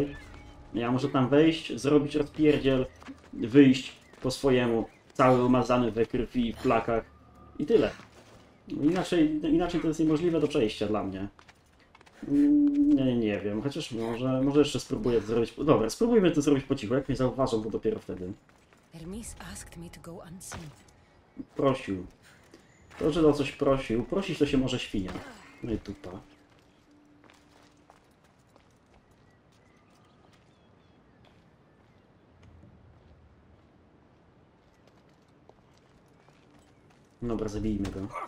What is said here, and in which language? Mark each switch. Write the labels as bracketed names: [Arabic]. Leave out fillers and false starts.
[Polish] Okay? Ja muszę tam wejść, zrobić odpierdziel, wyjść po swojemu, cały umazany we krwi, w plakach i tyle. Inaczej to jest niemożliwe do przejścia dla mnie. Nie wiem, chociaż może jeszcze spróbuję to zrobić. Dobra, spróbujmy to zrobić po cichu, jak mnie zauważą, bo dopiero wtedy. [English] Hermes asked me to go unseen. [Polish] Prosił. To, że o coś prosił. Prosić to się może świnia. No i tupa. Dobra, zabijmy go.